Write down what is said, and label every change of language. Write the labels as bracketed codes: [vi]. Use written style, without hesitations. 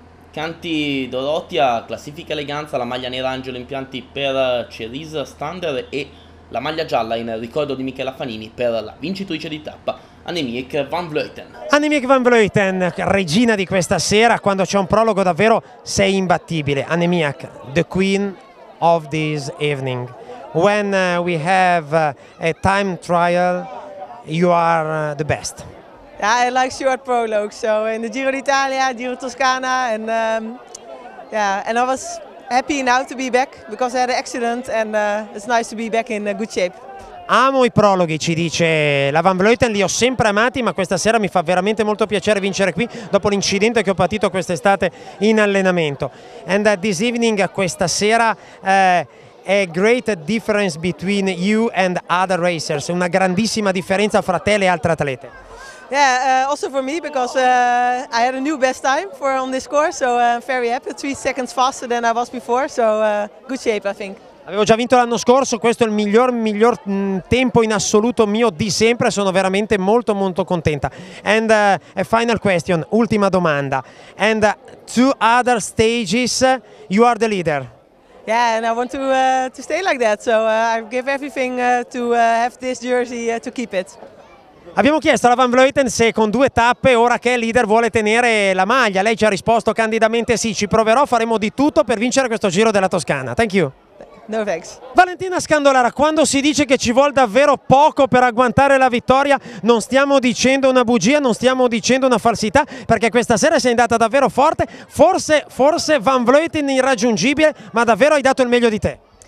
[it] Canti Dorotia, classifica eleganza la maglia nera Angelo Impianti per Cerise Stander e la maglia gialla in ricordo di Michela Fanini per la vincitrice di tappa Annemiek van Vleuten. Annemiek van Vleuten, regina di questa sera, quando c'è un prologo davvero sei imbattibile. [en] Annemiek, the queen of this evening. When we have a time trial, you are the best. Yeah, I like short prologues, so in the Giro d'Italia, Giro Toscana, and and I was happy now to be back because I had an accident, and it's nice to be back in good shape. [it] Amo i prologhi, ci dice la Van Vleuten, li ho sempre amati, ma questa sera mi fa veramente molto piacere vincere qui dopo l'incidente che ho patito quest'estate in allenamento. [en] And this evening, [it] questa sera, [en] a great difference between you and other racers, [it] una grandissima differenza fra te e le altre atlete. [en] Yeah, also for me, because I had a new best time for on this course, so I'm very happy, 3 seconds faster than I was before, so good shape I think. [it] Avevo già vinto l'anno scorso, questo è il miglior tempo in assoluto mio di sempre, sono veramente molto molto contenta. [en] And a final question, [it] ultima domanda. [en] And two other stages, you are the leader. Yeah, and I want to stay like that, so I give everything to have this jersey, to keep it. [it] Abbiamo chiesto alla Van Vleuten se con due tappe, ora che è leader, vuole tenere la maglia. Lei ci ha risposto candidamente sì, ci proverò, faremo di tutto per vincere questo Giro della Toscana. [en] Thank you. No thanks. [it] Valentina Scandolara, quando si dice che ci vuole davvero poco per agguantare la vittoria, non stiamo dicendo una bugia, non stiamo dicendo una falsità, perché questa sera sei andata davvero forte, forse Van Vleuten irraggiungibile, ma davvero hai dato il meglio di te.